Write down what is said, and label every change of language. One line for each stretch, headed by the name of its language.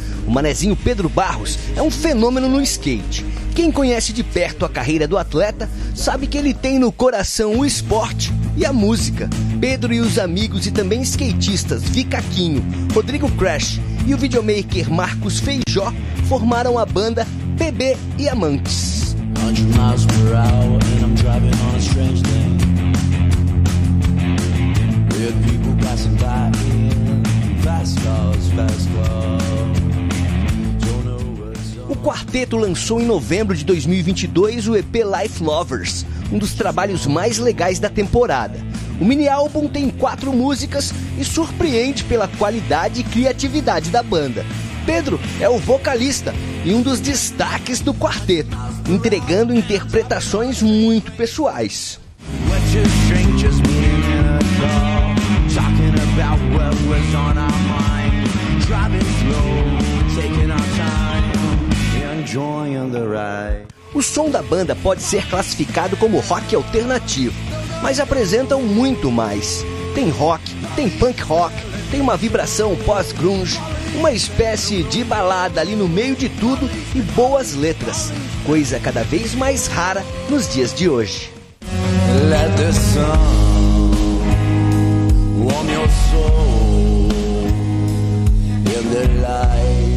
Portuguese: O manezinho Pedro Barros é um fenômeno no skate. Quem conhece de perto a carreira do atleta sabe que ele tem no coração o esporte e a música. Pedro e os amigos e também skatistas Vicaquinho, Rodrigo Crash e o videomaker Marcos Feijó formaram a banda PB e Amantes.
English: 100 miles per hour and I'm driving on a strange lane. Weird people passing by in fast cars, fast cars.
Portuguese: O quarteto lançou em novembro de 2022 o EP Life Lovers, um dos trabalhos mais legais da temporada. O mini-álbum tem 4 músicas e surpreende pela qualidade e criatividade da banda. Pedro é o vocalista e um dos destaques do quarteto, entregando interpretações muito pessoais. O som da banda pode ser classificado como rock alternativo, mas apresentam muito mais. Tem rock, tem punk rock, tem uma vibração pós-grunge, uma espécie de balada ali no meio de tudo e boas letras. Coisa cada vez mais rara nos dias de hoje.
English: Let the sun warm your soul in the light.